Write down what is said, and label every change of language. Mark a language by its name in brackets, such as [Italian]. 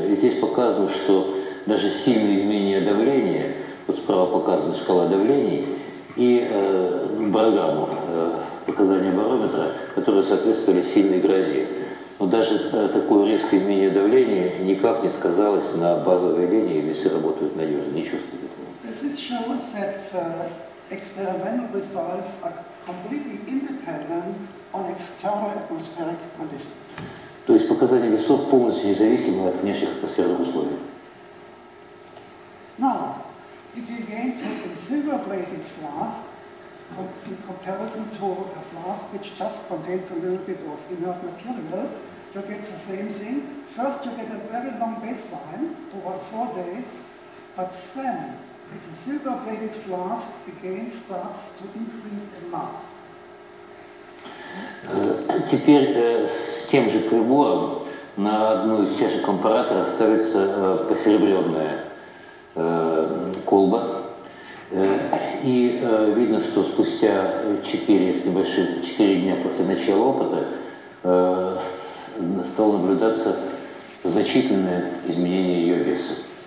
[Russian] И здесь показано, что даже сильные изменения давления, вот справа показана шкала давлений и барограмма, показания барометра, которые соответствовали сильной грозе. Но даже такое резкое изменение давления никак не сказалось на базовой линии, весы работают надежно, не чувствуют этого. [English] This shows that the experimental results are completely independent on external atmospheric conditions. [Russian] То есть показания весов полностью независимы от внешних атмосферных условий. [English] Now, if you again take a silver-plated flask, comparison to a flask which just contains a little bit of inert material, you get the same thing. First you get a very long baseline over 4 days, but then the silver-plated flask again starts to increase in mass. [Russian] Теперь с тем же прибором на одну из чашек компаратора ставится посеребрённая колба. И видно, что спустя 4 дня после начала опыта стало наблюдаться значительное изменение её веса.